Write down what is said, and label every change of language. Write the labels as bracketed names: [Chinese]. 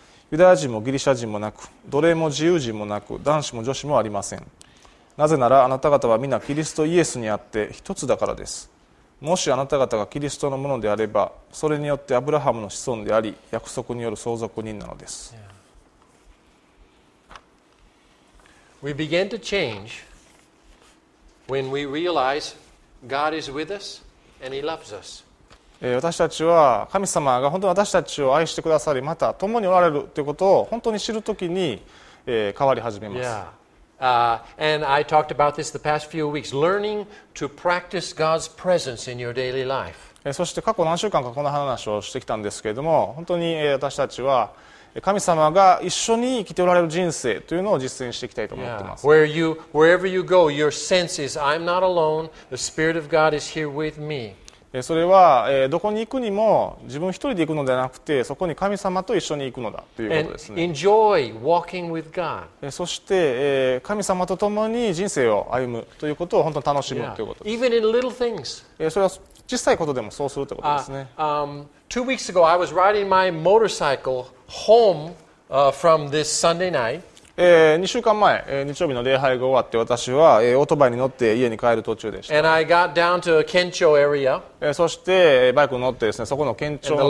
[Japanese] ユダヤ人もギリシャ人もなく、奴隷も自由人もなく、男子も女子もありません。なぜならあなた方は皆キリストイエスにあって一つだからです。もしあなた方がキリストのものであれば、それによってアブラハムの子孫であり、約束による相続人なのです。 [English] We begin to change when we realize God is with us and He loves us. [Japanese] 私たちは神様が本当に私たちを愛してくださり、また共におられるということを本当に知るときに変わり始めます。 [English] And I talked about this the past few weeks. Learning to practice God's presence in your daily life. [Japanese] そして過去何週間かこの話をしてきたんですけれども、本当に私たちは神様が一緒に生きておられる人生というのを実践していきたいと思っています。 [English] Yeah. Where you, wherever you go, your sense is I'm not alone. The Spirit of God is here with me. [Japanese] それはどこに行くにも自分一人で行くのではなくて、そこに神様と一緒に行くのだということですね。 [English] Enjoy walking with God. [Japanese] そして神様と共に人生を歩むということを本当に楽しむということです。 [English] Even in little things. [Japanese] それは小さいことでもそうするということですね。 [English] 2 weeks ago I was riding my motorcycle home from this Sunday night. [Japanese] 2週間前、日曜日の礼拝が終わって私はオートバイに乗って家に帰る途中でした。 [English] And I got down to Kencho area. [Japanese] そしてバイクに乗ってですね、そこの県庁の